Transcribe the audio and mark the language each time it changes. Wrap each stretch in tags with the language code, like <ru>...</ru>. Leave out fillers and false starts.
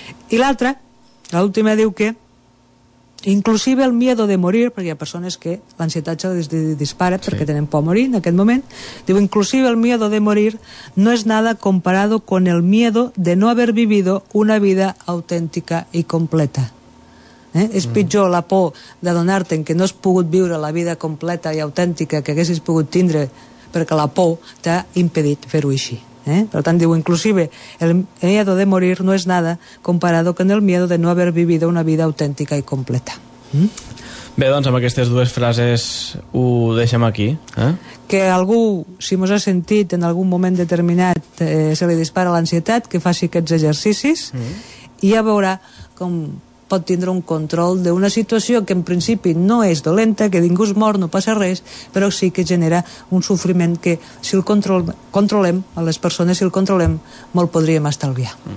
<ca>I l'altra, l'última, diu que</ca> <es>inclusive el miedo de morir,</es> <ca>perquè hi ha persones que l'ansietat se les dispara perquè tenen por a morir en aquest moment, diu, inclusive el miedo de morir no és</ca> <es>nada comparado con el miedo de no haver vivido</es> <ca>una vida autèntica i completa. És pitjor la por de donar-te que no has pogut viure la vida completa i autèntica que haguessis pogut tindre, perquè la por t'ha impedit fer-ho així. Per tant, diu,</ca> <es>inclusive el miedo de morir no es nada comparado con el miedo de no haber vivido una vida auténtica y completa.</es> <ca>Bé, doncs amb aquestes dues frases ho deixem aquí, Que algú, si mos ha sentit en algun moment determinat, se li dispara l'ansietat, que faci aquests exercicis, i ja veurà com pot tindre un control d'una situació que en principi no és dolenta, que ningú es mor, no passa res, però sí que genera un sofriment que, si el controlem a les persones, si el controlem, molt podríem estalviar.</ca>